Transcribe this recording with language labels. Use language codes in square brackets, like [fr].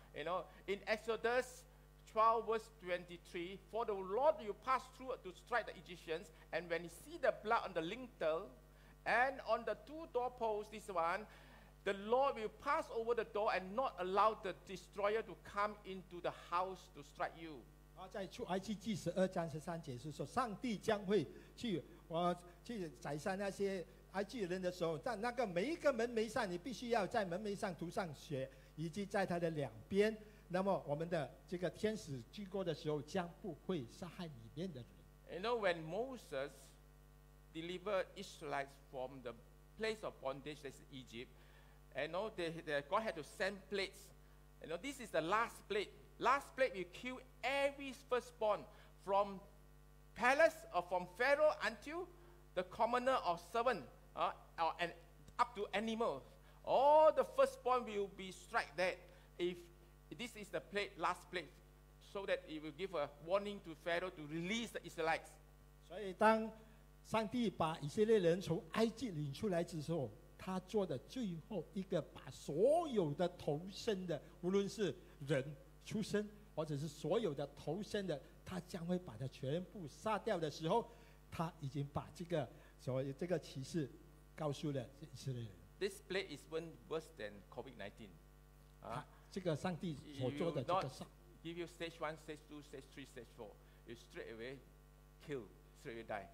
[en] You know, in Exodus 12 verse 23, for the Lord will pass through to strike the Egyptians, and when he see the blood on the lintel and on the two doorposts, this one, the Lord will pass over the door and not allow the destroyer to come into the house to strike you. [zh] 在出埃及记十二章十三节是说，上帝将会去去宰杀那些埃及人的时候，在那个每一个门楣上，你必须要在门楣上涂上血，以及在它的两边。那么我们的这个天使经过的时候，将不会杀害里面的人。 [en] You know when Moses delivered Israelites from the place of bondage, that's Egypt, and you know they God had to send plagues. You know this is the last plague. Last plague will kill every firstborn from palace or from Pharaoh until the commoner or servant and up to animals. All the firstborn will be struck dead if this is the plague, last plague, so that it will give a warning to Pharaoh to release the Israelites. [zh] 所以当上帝把以色列人从埃及领出来之后，他做的最后一个把所有的投生的，无论是人出生或者是所有的投生的，他将会把他全部杀掉的时候，他已经把这个所谓这个启示告诉了以色列人。 [en] This plague is even worse than COVID-19. [zh] 这个上帝所做的这个事。 [en] Give you stage one, stage two, stage three, stage four, you straight away kill, straight away die.